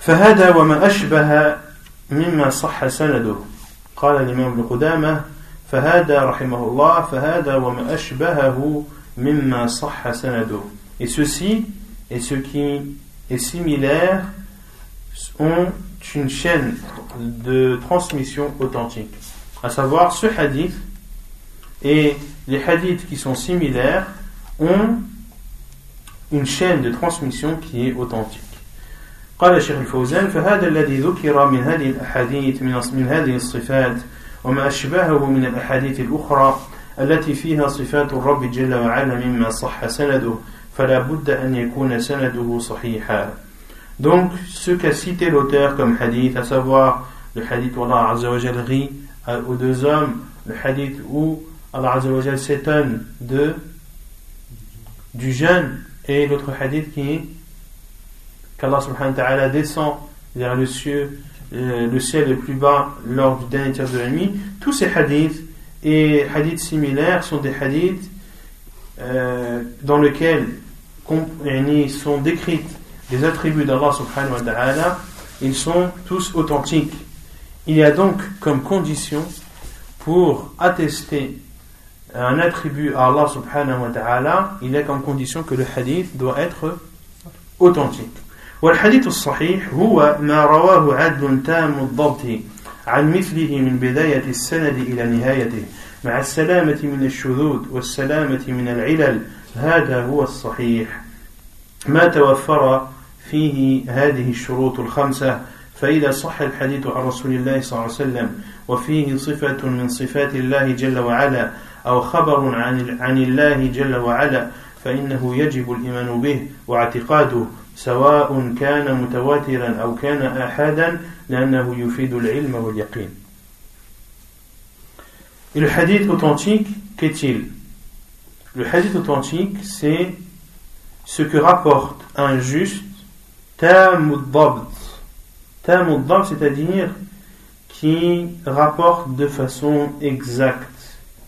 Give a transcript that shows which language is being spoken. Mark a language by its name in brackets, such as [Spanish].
[Arabic] فهذا وما أشبه مما صح سنده [French] قال الإمام ابن قدامة فهذا رحمه الله فهذا وما أشبهه مما صح سنده et ceci et ce qui est similaire ont une chaîne de transmission authentique, à savoir ce hadith et les hadiths qui sont similaires ont une chaîne de transmission qui est authentique. [Arabic] قال الشيخ الفوزان فهذا الذي ذكر من هذه الأحاديث من هذه الصفات وما أشبهه من الأحاديث الأخرى التي فيها صفات الرب جل وعلا مما صح سنده فلا بد أن يكون سنده صحيحا. [French] Donc ce qu'a cité l'auteur comme hadith, à savoir le hadith où Allah Azza wa Jal rit aux deux hommes, le hadith où Allah Azza wa Jal s'étonne du jeûne, et l'autre hadith qui est qu'Allah subhanahu wa ta'ala descend vers le ciel le plus bas lors du dernier tiers de la nuit. Tous ces hadiths et hadiths similaires sont des hadiths dans lesquels sont décrites les attributs d'Allah subhanahu wa ta'ala. Ils sont tous authentiques. Il y a donc comme condition pour attester un attribut à Allah subhanahu wa ta'ala, il y a comme condition que le hadith doit être authentique. [Arabic] والحديث الصحيح هو ما رواه عدل تام الضبط عن مثله من بداية السند إلى نهايته مع السلامة من الشذوذ والسلامة من العلل هذا هو الصحيح ما توفر فيه هذه الشروط الخمسة فإذا صح الحديث عن رسول الله صلى الله عليه وسلم وفيه صفة من صفات الله جل وعلا أو خبر عن الله جل وعلا فإنه يجب الإيمان به واعتقاده سواء كان متواترا أو كان أحدا لأنه يفيد العلم واليقين. [French] Le hadith authentique, qu'est-il? Le hadith authentique, c'est ce que rapporte un juste, tamud dabt, c'est-à-dire qui rapporte de façon exacte.